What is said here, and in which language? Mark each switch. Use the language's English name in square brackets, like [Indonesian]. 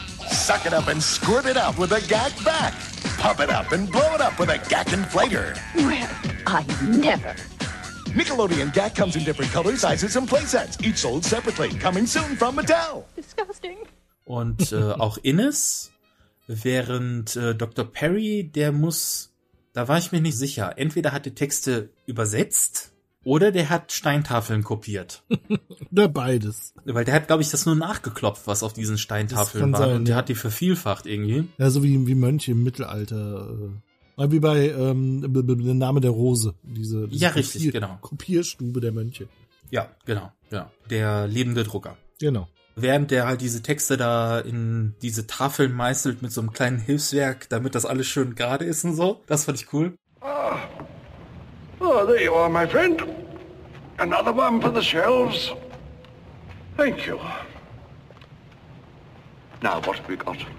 [English] Suck it up and squirt it up with a Gack back. Pump it up and blow it up with a Gack inflator. Well, I never... Nickelodeon Gack comes in different colors, sizes and playsets. Each sold separately. Coming soon from Mattel. Disgusting. [German] Und auch Innes, während Dr. Perry, der muss, da war ich mir nicht sicher. Entweder hat er Texte übersetzt oder der hat Steintafeln kopiert. Oder beides. Weil der hat, glaube ich, das nur nachgeklopft, was auf diesen Steintafeln war. Sein, und der hat die vervielfacht irgendwie. Ja, so wie Mönche im Mittelalter. Wie bei der Name der Rose, diese ja, richtig, genau. Kopierstube der Mönche. Ja, genau, ja. Der lebende Drucker. Genau. Während der halt diese Texte da in diese Tafeln meißelt mit so einem kleinen Hilfswerk, damit das alles schön gerade ist und so. Das fand ich cool. [English] Oh, there you are, my friend. Another one for the shelves. Thank you. Now, what have we got?